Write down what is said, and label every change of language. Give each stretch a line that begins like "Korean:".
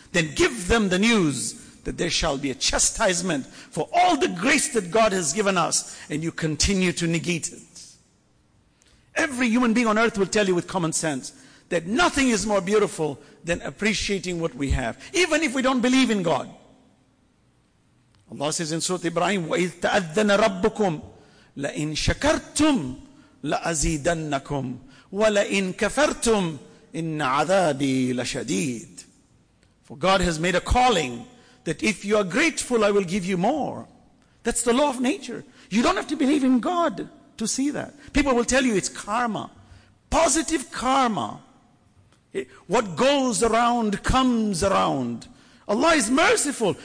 English: Then give them the news that there shall be a chastisement for all the grace that God has given us, and you continue to negate it. Every human being on earth will tell you with common sense that nothing is more beautiful than appreciating what we have, even if we don't believe in God.
Arabic: Allah says in Surah Ibrahim, وَإِذْ تَأَذَّنَ رَبُّكُمْ لَإِنْ شَكَرْتُمْ لَأَزِيدَنَّكُمْ وَلَإِنْ كَفَرْتُمْ إِنَّ عَذَابِي لَشَدِيدٌ.
English: For God has made a calling that if you are grateful, I will give you more. That's the law of nature. You don't have to believe in God to see that. People will tell you it's karma. Positive karma. What goes around comes around. Allah is merciful.